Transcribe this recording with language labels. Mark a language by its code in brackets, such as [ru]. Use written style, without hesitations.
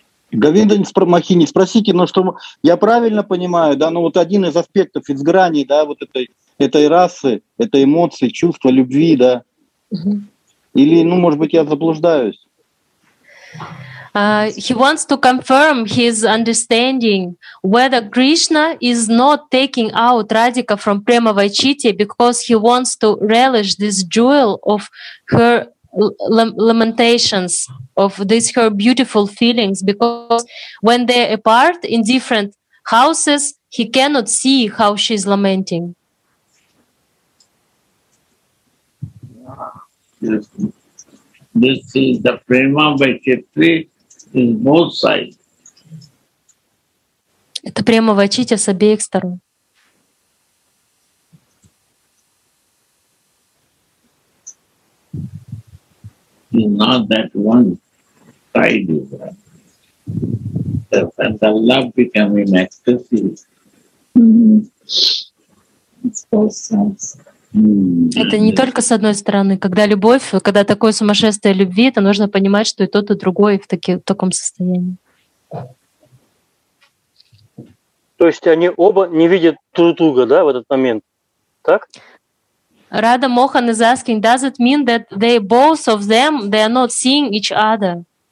[ru] Говинда Махини, спросите, но что я правильно понимаю, да, ну вот один из аспектов, из граней, да, вот этой расы, этой эмоции, чувства, любви, да. Или, ну, может быть, я заблуждаюсь. [en] He wants to confirm his understanding whether Krishna is not taking out Radhika from Prema Vaichitya, because he wants to relish this jewel of her lamentations, of this her beautiful feelings, because when they're apart in different houses, he cannot see how she's lamenting. This is the prema vaichitri in both sides. [ru] Это прямо вайчитя с обеих сторон. [en] Not that one side is right. And the love becoming excessive. [ru] Это не только с одной стороны, когда любовь, когда такое сумасшествие любви, то нужно понимать, что и тот, и другой в таком состоянии. То есть они оба не видят друг друга, да, в этот момент, так? [en] Radha Mohan is asking, does it mean that they both of them, they are not seeing each other?